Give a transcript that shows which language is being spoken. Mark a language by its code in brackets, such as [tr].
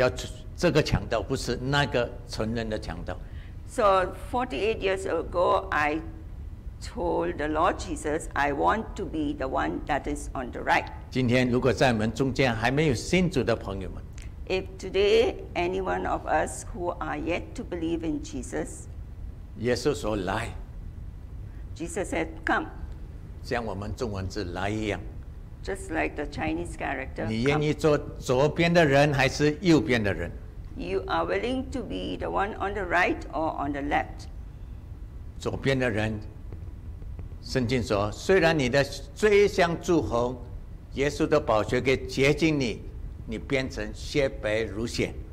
[zh] 所以48年前我说主啊，我要做这个强盗，不是那个成人的强盗。 [en] So 48 years ago, I told the Lord Jesus, I want to be the one that is on the right. [zh] 今天如果在我们中间还没有信主的朋友们， [en] if today any one of us who are yet to believe in Jesus, [zh] 耶稣说来， [en] Jesus said, come. [zh] 像我们中文字来一样， [en] just like the Chinese character, [zh] 你愿意做左边的人还是右边的人？ [en] You are willing to be the one on the right or on the left? [zh] 左边的人， 圣经说， 虽然你的罪像朱红， 耶稣的宝血给洁净你， 你变成洁白如雪。